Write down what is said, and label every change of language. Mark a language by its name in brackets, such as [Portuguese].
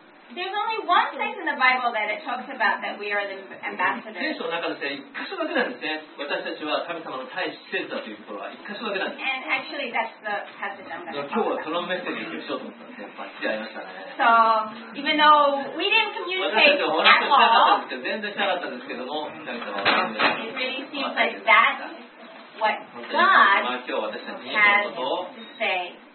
[English] There's only one place in the Bible that it talks about that we are the ambassadors. [Japanese] 聖書の中で一箇所だけなんですね。私たちは神様の大使節だというところは一箇所だけなんです。 [English] And actually, that's the passage I'm going to talk about. [Japanese] 今日はそのメッセージにしようと思ったんですね。バッチリ合いましたね。 [English] So, even though we didn't communicate at all, [Japanese] 私たちはお話ししなかったんですけど、全然しなかったんですけども、神様は。 [English] It really seems like that's what God has to say.